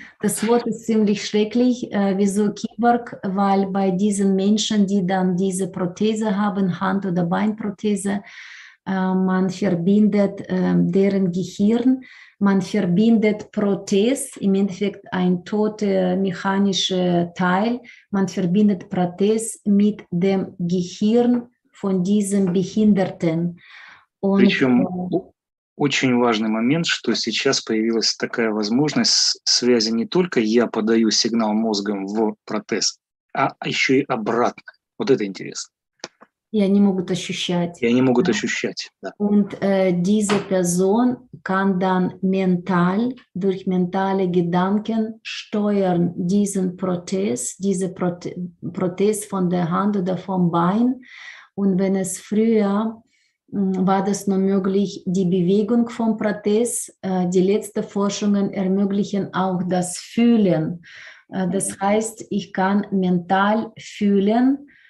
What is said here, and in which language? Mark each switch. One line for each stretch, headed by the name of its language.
German: Das Wort ist ziemlich schrecklich. Wieso Kyborg? Weil bei diesen Menschen, die dann diese Prothese haben, Hand- oder Beinprothese, man verbindet deren Gehirn, man verbindet Prothese, im Endeffekt ein toter mechanischer Teil, man verbindet Prothese mit dem Gehirn von diesem Behinderten. Und,
Russian: причем очень важный момент, что сейчас появилась такая возможность связи не только я подаю сигнал мозгом в протез, а еще и обратно. Вот это интересно. И они могут ощущать. И они могут ощущать, да.
German: Und diese Person kann dann mental, durch mentale Gedanken steuern diesen Prothese, diese Prothese von der Hand oder vom Bein. Und wenn es früher war das nur möglich, die Bewegung vom Prothese, die letzten Forschungen ermöglichen auch das Fühlen. Das heißt, ich kann mental fühlen,